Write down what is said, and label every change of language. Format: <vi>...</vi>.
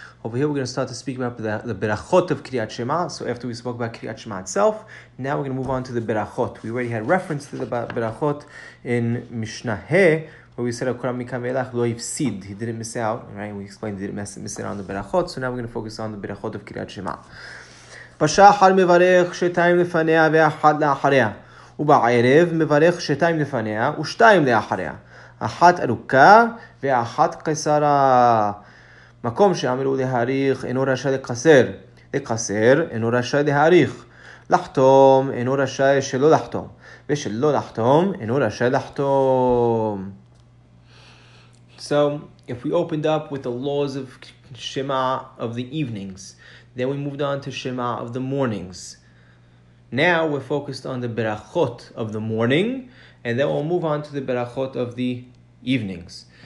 <en>Over here, we're going to start to speak about the Berachot of Kriyat Shema. So after we spoke about Kriyat Shema itself, now we're going to move on to the Berachot. We already had reference to the Berachot in Mishnah He, where we said,</en> <he>"Akuram Mikam Elach Lo Yifsid."</he> <en>He didn't miss out, right? We explained he didn't miss out on the Berachot. So now we're going to focus on the Berachot of Kriyat Shema.</en> <he>Bashachar Mevarech Shetayim Lefaneah Ve'Achad La'Achareah. ובערב מברך שתיים לפניה ושתיים לאחריה. אחת ארוכה ואחת קצרה. מקום שאמרו להאריך אינו רשאי לקצר. לקצר אינו רשאי להאריך. לחתום אינו רשאי שלא לחתום. ושלא לחתום אינו רשאי לחתום.</he> <en>So, if we opened up with the laws of Shema of the evenings, then we moved on to Shema of the mornings. Now we're focused on the berachot of the morning, and then we'll move on to the berachot of the evenings.</en>